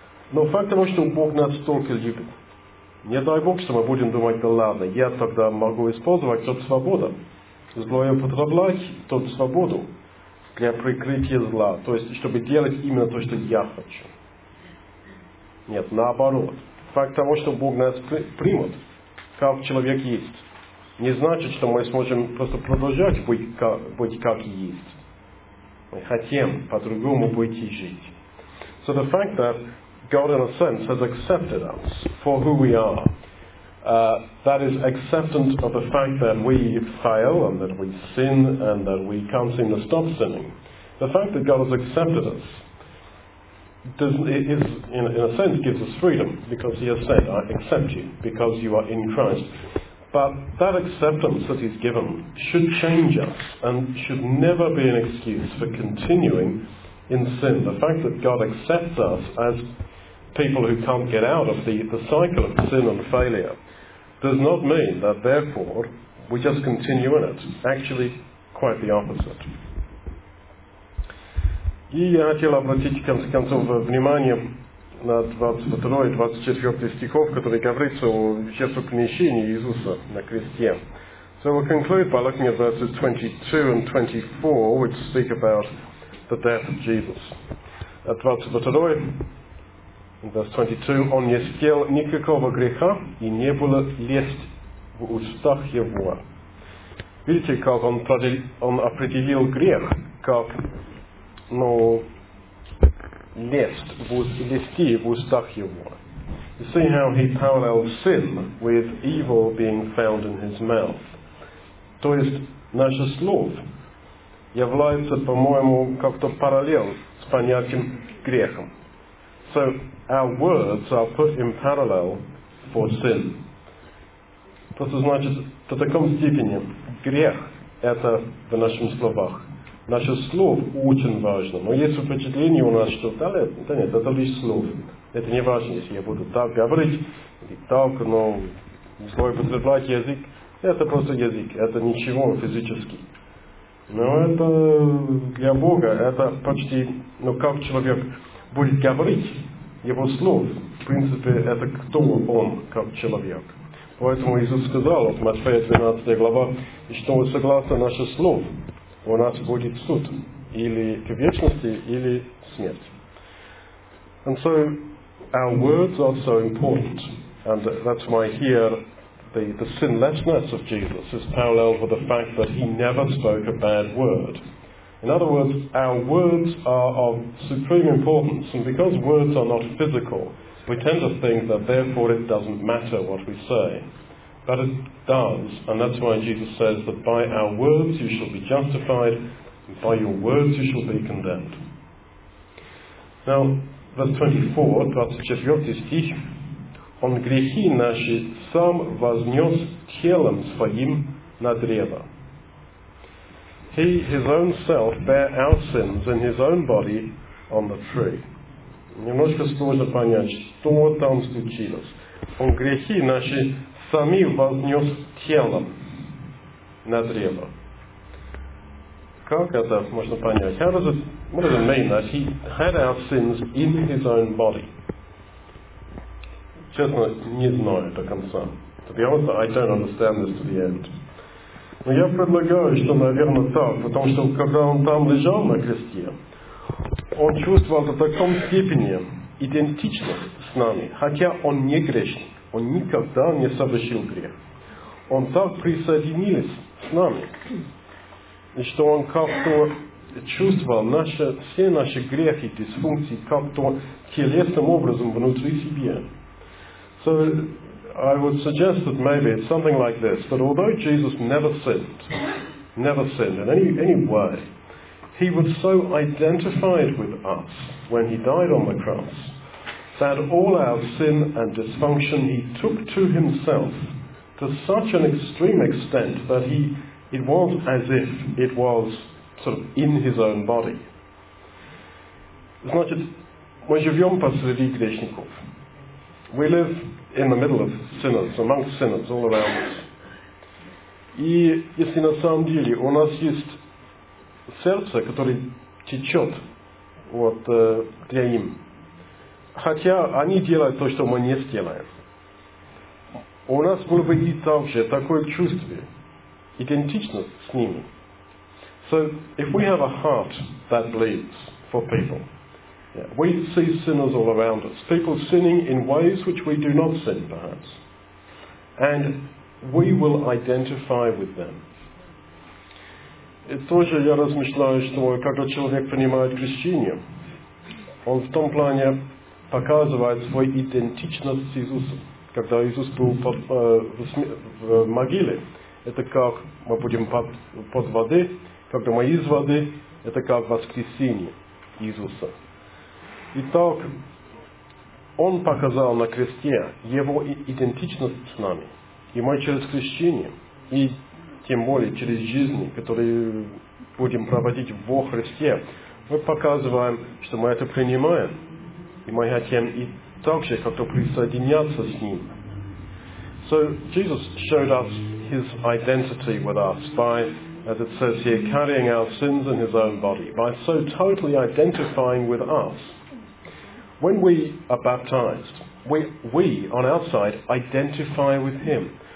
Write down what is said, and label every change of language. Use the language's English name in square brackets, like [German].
[Russian] Но факт того, что Бог нас столько любит, не дай Бог, что мы будем думать, да ладно, я тогда могу использовать тот свободу, злое потреблять тот свободу для прикрытия зла, то есть, чтобы делать именно то, что я хочу. Нет, наоборот. Факт того, что Бог нас примет, как человек есть, не значит, что мы сможем просто продолжать быть как есть. Мы хотим по-другому быть и жить. [English] So the fact that God, in a sense, has accepted us for who we are. That is acceptance of the fact that we fail and that we sin and that we can't seem to stop sinning. The fact that God has accepted us is, in a sense, gives us freedom because He has said, I accept you because you are in Christ. But that acceptance that He's given should change us and should never be an excuse for continuing in sin. The fact that God accepts us as people who can't get out of the cycle of sin and failure does not mean that therefore we just continue in it. Actually, quite the opposite. [Russian] И я хотел обратить, в конце концов, внимание на 22 и 24 стихов, которые говорится о жертвоприношении Иисуса на кресте. [English] So we'll conclude by looking at verses 22 and 24, which speak about the death of Jesus. At 22, Verse 22, [Russian] он не съел никакого греха и не было лесть в устах его. Видите, как он определил грех, как лести в устах его. [English] You see how he parallels sin with evil being found in his mouth. [Russian] То есть наше слово является, по-моему, как-то параллел с понятием грехом. [English] So our words are put in parallel for sin. [Russian] Это значит, до такой степени грех это в нашем словах. Наше слово очень важно. Но есть впечатление у нас, что да нет, это лишь слово. Это не важно, если я буду так говорить, или так, но злой потреблять язык. Это просто язык, это ничего физически. Но это для Бога, это почти, как человек будет говорить, его слов, в принципе, это кто он, как человек. Поэтому Иисус сказал, вот Матфея 13 глава, и что мы согласно наших слов, у нас будет суд, или к вечности, или смерть. [English] And so, our words are so important. And that's why here, the sinlessness of Jesus is paralleled with the fact that he never spoke a bad word. In other words, our words are of supreme importance, and because words are not physical, we tend to think that therefore it doesn't matter what we say. But it does, and that's why Jesus says that by our words you shall be justified, and by your words you shall be condemned. Now, verse 24, [Russian] 24 стих, «Он грехи наши сам вознес телом своим на древо». [English] He, his own self, bare our sins in his own body on the tree. [Russian] Немножко сложно понять, что там случилось. Он грехи наши сами вознес телом на древо. Как это можно понять? [English] How does it, what does it mean that he had our sins in his own body? [Russian] Честно, не знаю до конца. [English] To be honest, I don't understand this to the end. [Russian] Но я предлагаю, что, наверное, так, потому что когда он там лежал на кресте, он чувствовал до такой степени идентичность с нами, хотя он не грешник, он никогда не совершил грех. Он так присоединился с нами, и что он как-то чувствовал наши, все наши грехи, дисфункции как-то телесным образом внутри себя. [English] So, I would suggest that maybe it's something like this, that although Jesus never sinned in any way, he was so identified with us when he died on the cross that all our sin and dysfunction he took to himself to such an extreme extent that it was as if it was sort of in his own body. [Russian] Значит, мы живем посреди грешников. [English] We live in the middle of sinners, amongst sinners, all around us. [Russian] И если на самом деле у нас есть сердце, которое течет, вот, для им, хотя они делают то, что мы не сделаем, у нас может быть и также такое чувство, идентичность с ними. [English] So, if we have a heart that bleeds for people, yeah. We see sinners all around us, people sinning in ways which we do not sin, perhaps. And we will identify with them. [Russian] И тоже я размышляю, что когда человек принимает крещение, он в том плане показывает свою идентичность с Иисусом. Когда Иисус был в могиле, это как мы будем под водой, когда мы из воды, это как воскресение Иисуса. Итак, он показал на кресте его идентичность с нами. И мы через крещение, и тем более через жизни, которые будем проводить во Христе, мы показываем, что мы это принимаем. И мы хотим и также как-то присоединяться с ним. [English] So, Jesus showed us his identity with us by, as it says here, carrying our sins in his own body, by so totally identifying with us. When we are baptized, we on our side identify with him.